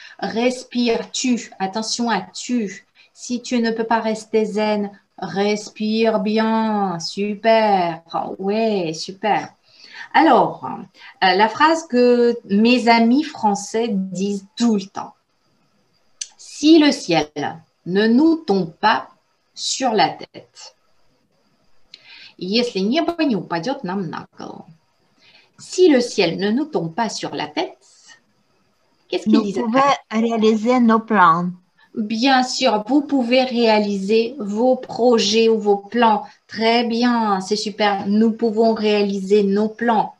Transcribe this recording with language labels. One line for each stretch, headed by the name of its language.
French: Respire-tu, attention à tu. Si tu ne peux pas rester zen, respire bien, super, ouais, super. Alors, la phrase que mes amis français disent tout le temps. Si le ciel ne nous tombe pas sur la tête.
Russian: Если небо не упадет нам на голову.
French: Si le ciel ne nous tombe pas sur la tête, qu'est-ce qu'ils disent? Nous pouvons réaliser nos plans. Bien sûr, vous pouvez réaliser vos projets ou vos plans. Très bien, c'est super. Nous pouvons réaliser nos plans.